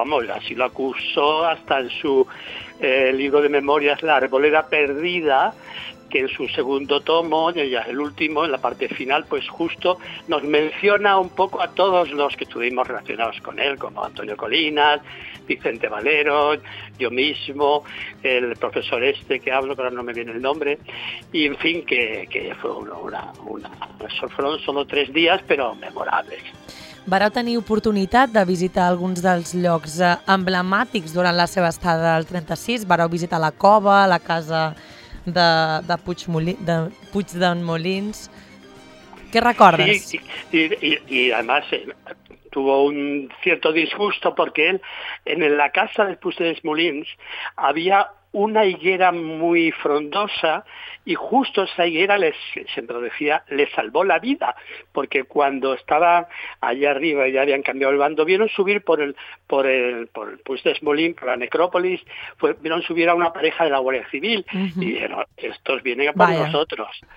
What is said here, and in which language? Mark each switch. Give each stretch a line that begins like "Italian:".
Spanish: así lo acusó hasta en su libro de memorias, La Arboleda Perdida, que en su segundo tomo, ya el último, en la parte final, pues justo nos menciona un poco a todos los que estuvimos relacionados con él, como Antonio Colinas, Vicente Valero, yo mismo, el profesor este que hablo, pero no me viene el nombre, y en fin, que fue una... Fueron solo 3 días, pero memorables.
Catalan: Vareu tenir oportunitat de visitar alguns dels llocs emblemàtics durant la seva estada al 36, vareu visitar la cova, la casa de Puig d'en Molins. Què recordes?
Spanish: Sí, i además tuvo un cierto disgusto porque él, en la casa de Puig d'en Molins había una higuera muy frondosa y justo esa higuera, siempre lo decía, le salvó la vida, porque cuando estaba allá arriba y ya habían cambiado el bando, vieron subir por el Puig d'en Molins, por la necrópolis, vieron subir a una pareja de la Guardia Civil y dijeron, estos vienen a por nosotros.